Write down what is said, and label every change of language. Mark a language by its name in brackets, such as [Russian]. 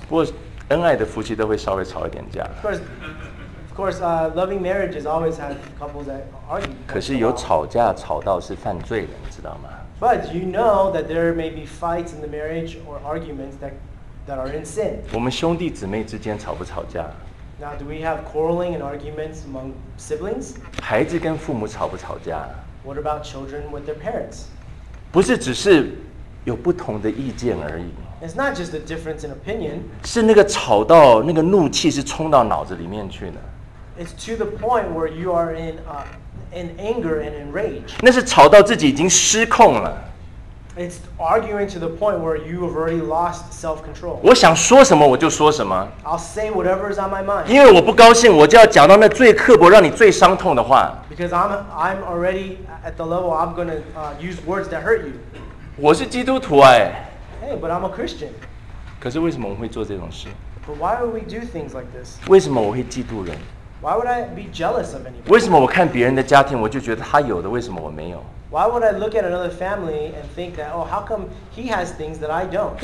[Chinese] 不过恩爱的夫妻都会稍微吵一点架。 [English] Of course, loving marriages always have couples that argue. [Chinese] 可是有吵架吵到是犯罪的，你知道吗？ [English] But you know that there may be fights in the marriage or arguments that are in sin. [Chinese] 我们兄弟姊妹之间吵不吵架？ [English] Now, do we have quarreling and arguments among siblings? [Chinese] 孩子跟父母吵不吵架？ [English] What about children with their parents? [Chinese] 不是只是有不同的意见而已。 [English] It's not just a difference in opinion. [Chinese] 是那个吵到那个怒气是冲到脑子里面去呢。 [English] It's to the point where you are in anger and in rage. [Chinese] 那是吵到自己已经失控了。 [English] It's arguing to the point where you have already lost self-control. [Chinese] 我想说什么我就说什么。 [English] I'll say whatever is on my mind. [Chinese] 因为我不高兴，我就要讲到那最刻薄、让你最伤痛的话。 [English] Because I'm already at the level I'm going to use words that hurt you. [Chinese] 我是基督徒哎。 [English] Hey, but I'm a Christian. [Chinese] 可是为什么我会做这种事？ [English] But why would we do things like this? [Chinese] 为什么我会嫉妒人？ [English] Why would I be jealous of anybody? [Chinese] 为什么我看别人的家庭，我就觉得他有的，为什么我没有？ [English] Why would I look at another family and think that, oh, how come he has things that I don't?